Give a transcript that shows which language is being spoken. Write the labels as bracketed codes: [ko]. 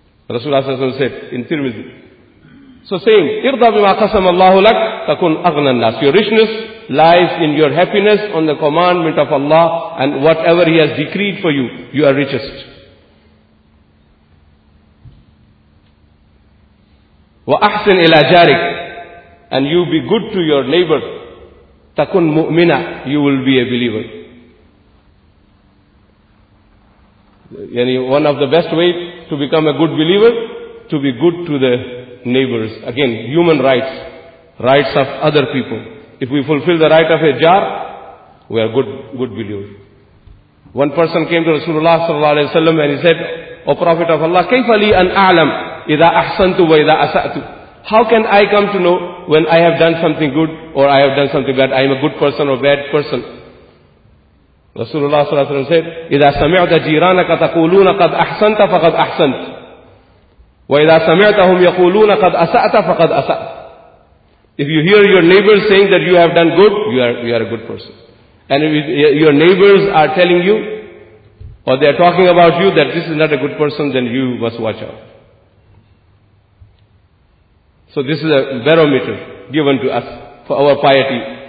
[ar] رسول الله صلى الله عليه وسلم [en] said in Tirmidhi. So saying, [ar] اِرْضَى بِمَا قَسَمَ اللَّهُ لَكَ تَكُنْ أَغْنَى النَّاسِ. [en] Your richness lies in your happiness on the commandment of Allah, and whatever He has decreed for you, you are richest. [ar] وَأَحْسِنْ إِلَى جَارِكَ. [en] And you be good to your neighbor. [ar] تَكُنْ مُؤْمِنَ. [en] You will be a believer. One of the best ways to become a good believer, to be good to the neighbors. Again, human rights, rights of other people. If we fulfill the right of a jar, we are good believers. One person came to Rasulullah sallallahu alaihi wasallam and he said, O Prophet of Allah, [ar] كَيْفَ لِي أَنْ أَعْلَمْ إِذَا أَحْسَنْتُ وَإِذَا أَسَأْتُ. [en] How can I come to know when I have done something good or I have done something bad, I am a good person or bad person? [ar] Rasulullah sallallahu alaihi wasallam said, إِذَا سَمِعْتَ جِيرَانَكَ تَقُولُونَ قَدْ أَحْسَنْتَ فَقَدْ أَحْسَنْتَ وَإِذَا سَمِعْتَهُمْ يَقُولُونَ قَدْ أَسَأْتَ فَقَدْ أَسَأْتَ. [en] If you hear your neighbors saying that you have done good, you are a good person. And if your neighbors are telling you, or they are talking about you, that this is not a good person, then you must watch out. So this is a barometer given to us for our piety.